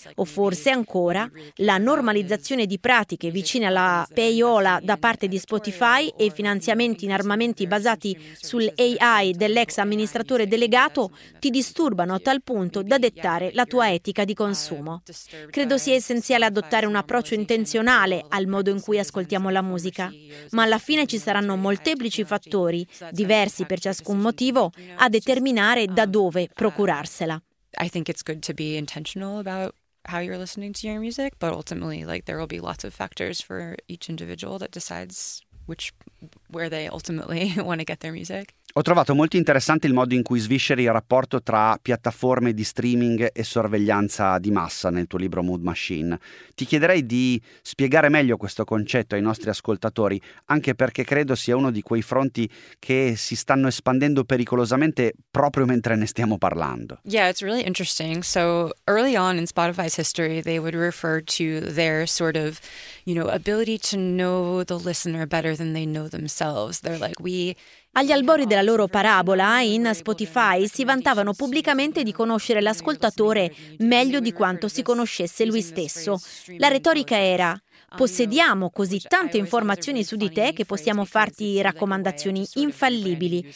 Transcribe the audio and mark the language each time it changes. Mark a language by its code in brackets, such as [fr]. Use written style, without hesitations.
[it] O forse ancora, la normalizzazione di pratiche vicine alla payola da parte di Spotify e finanziamenti in armamenti basati sull'AI dell'ex amministratore delegato ti disturbano a tal punto da dettare la tua etica di consumo. Credo sia essenziale adottare un approccio intenzionale al modo in cui ascoltiamo la musica, ma alla fine ci saranno molteplici fattori, diversi per ciascun motivo, a determinare da dove procurarsela. [en] I think it's good to be intentional about how you're listening to your music, but ultimately, like, there will be lots of factors for each individual that decides which, where they ultimately want to get their music. [it] Ho trovato molto interessante il modo in cui svisceri il rapporto tra piattaforme di streaming e sorveglianza di massa nel tuo libro Mood Machine. Ti chiederei di spiegare meglio questo concetto ai nostri ascoltatori, anche perché credo sia uno di quei fronti che si stanno espandendo pericolosamente proprio mentre ne stiamo parlando. [en] Yeah, it's really interesting. So early on in Spotify's history, they would refer to their sort of, you know, ability to know the listener better than they know themselves. They're like, we... [it] Agli albori della loro parabola, in Spotify si vantavano pubblicamente di conoscere l'ascoltatore meglio di quanto si conoscesse lui stesso. La retorica era: possediamo così tante informazioni su di te che possiamo farti raccomandazioni infallibili.